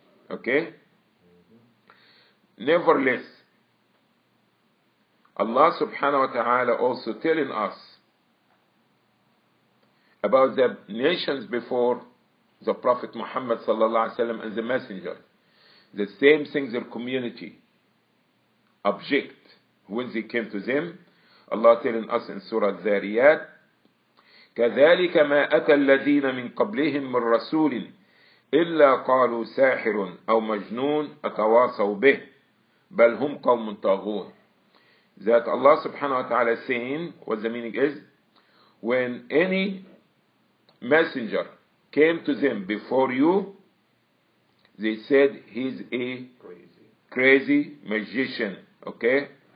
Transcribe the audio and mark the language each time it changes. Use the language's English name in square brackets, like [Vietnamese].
[English] Okay? Nevertheless, Allah subhanahu wa ta'ala also telling us about the nations before the Prophet Muhammad sallallahu alaihi wasallam and the Messenger. The same thing their community object when they came to them. Allah telling us in Surah Zariyat, [Arabic] كَذَلِكَ مَا أَتَى الَّذِينَ مِنْ قَبْلِهِمْ مِنْ رَسُولٍ إِلَّا قَالُوا سَاحِرٌ أَوْ مَجْنُونَ أَتَوَاصَوْا بِهِ بَلْ هُمْ قَوْمٌ طَاغُونَ. [English] That Allah subhanahu wa ta'ala is saying, what the meaning is, when any messenger came to them before you, they said he's a crazy magician, okay?